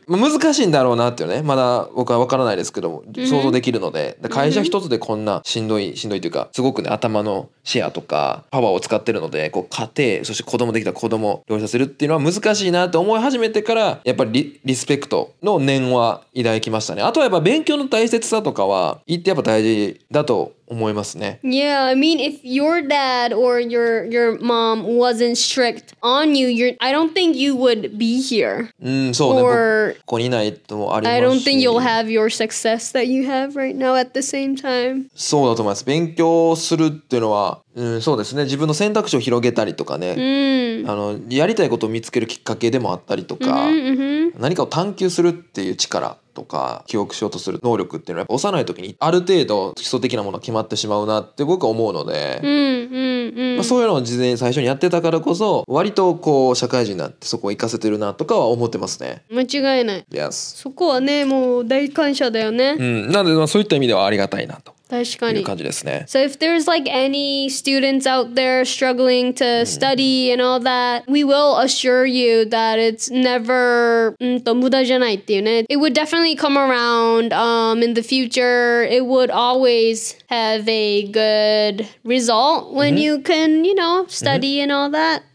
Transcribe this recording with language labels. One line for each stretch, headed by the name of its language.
Japanese: まあ、難しいんだろうなっていうねまだ僕は分からないですけども想像できるので、うん、会社一つでこんなしんどいというかすごくね頭のシェアとかパワーを使ってるのでこう家庭そして子供できた子供を両立させるっていうのは難しいなって思い始めてからやっぱり リスペクトの念は抱きましたね。あとはやっぱ勉強の大切さとかは言ってやっぱ大事だと思いますね。
English: Yeah, I mean if your dad or your mom wasn't strict on you, I don't think you would be here.
Japanese: うん、そうね。 Or, ここにいないともありますし。
English: I don't think you'll have your success that you have right now at the same time.
Japanese: そうだと思います。勉強するっていうのは、うん、そうですね。自分の選択肢を広げたりとかね、うん、あのやりたいことを見つけるきっかけでもあったりとか、うんうんうん、何かを探求するっていう力。とか記憶しようとする能力っていうのはやっぱ幼い時にある程度基礎的なものが決まってしまうなって僕は思うので、うんうんうんまあ、そういうのを事前に最初にやってたからこそ割とこう社会人になってそこを活かせてるなとかは思ってますね間違いない、
English: yes.
Japanese: そこはねもう大感謝だよね、うん、なのでまあそういった意味ではありがたいなと確かにいう感じですね
English: So if there's like any students out there struggling to study and all that We will assure you that it's never
Japanese: 無駄じゃないっていうね
English: It would definitely come around in the future It would always have a good result When you can, you know, study and all that